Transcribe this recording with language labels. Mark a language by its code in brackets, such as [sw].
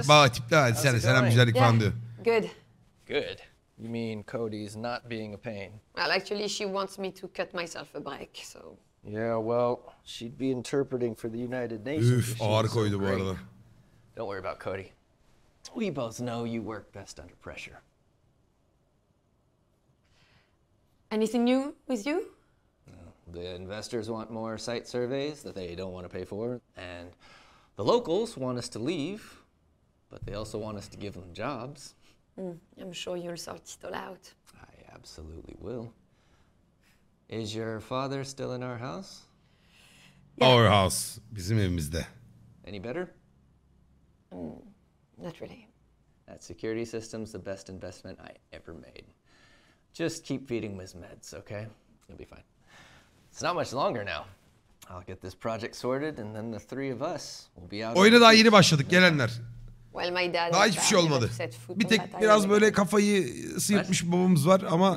[tr] Bağ tipli hadi sen de selam güzellik falan diyor. [en] Good. Good. You mean Cody is not being a pain? Well, actually she wants me to cut myself a break, so... Yeah, well, she'd be interpreting for the United Nations. [tr] Üf, ağır koydu bu arada. [en] Don't worry about Cody. We both know you work best under pressure. Anything new with you? The investors want more site surveys that they don't want to pay for. And the locals want us to leave, but they also want us to give them jobs. I'm sure you'll sort it all out. I absolutely will. Is your father still in our house? Yeah. Our house, [tr] bizim evimizde. [en] Any better? Not really. That security system's the best investment I ever made. Just keep feeding Ms. meds, okay? It'll be fine. It's not much longer now. I'll get this project sorted and then the three of us will be out. [tr] Oyuna daha yeni başladık, gelenler. [en] Well, my dad [tr] daha hiçbir şey olmadı. Bir tek biraz böyle kafayı sıyırtmış babamız var ama...